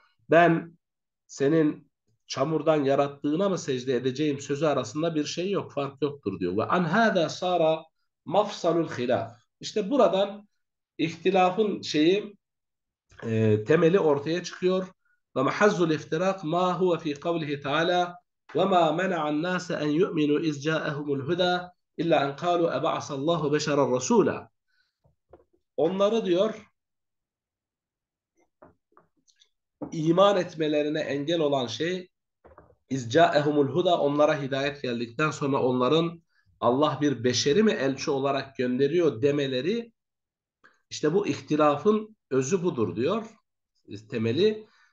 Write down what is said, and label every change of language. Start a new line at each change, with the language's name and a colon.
Turkish: Ben senin çamurdan yarattığına mı secde edeceğim sözü arasında bir şey yok, fark yoktur diyor.
Arabic: Ve an hâdâ sâra mafsalul hilâf.
Turkish: İşte buradan ihtilafın temeli ortaya çıkıyor.
Arabic: Ve mahzul iftirak ma huwa fi kavlihi teala وما منع الناس أن يؤمنوا إذ جاءهم الهدى إلا أن قالوا أبعث الله بشرا رسولا.
Turkish: Onları diyor iman etmelerine engel olan şey
Arabic: اِذْ جَاءَهُمُ الْهُدَى
Turkish: onlara hidayet geldikten sonra onların Allah bir beşeri mi elçi olarak gönderiyor demeleri işte bu ihtilafın özü budur diyor temeli.